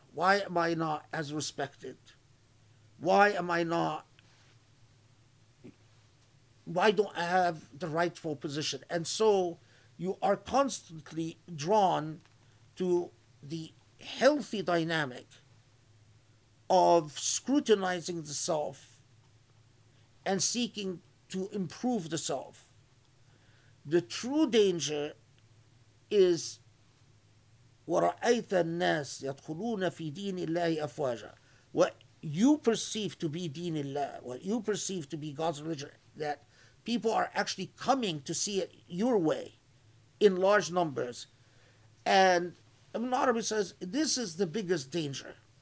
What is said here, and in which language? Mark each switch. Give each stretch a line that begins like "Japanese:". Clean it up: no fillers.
English: Why am I not as respected? Why am I not, why don't I have the rightful position? And so you are constantly drawn to the healthy dynamic of scrutinizing the self and seeking to improve the self. The true danger is
Arabic: وَرَأَيْتَ النَّاسِ يَدْخُلُونَ فِي دِينِ اللَّهِ أَفْوَاجًا.
English: What you perceive to be deen Allah, what you perceive to be God's religion, that people are actually coming to see it your way in large numbers. And Ibn Arabi says, this is the biggest danger.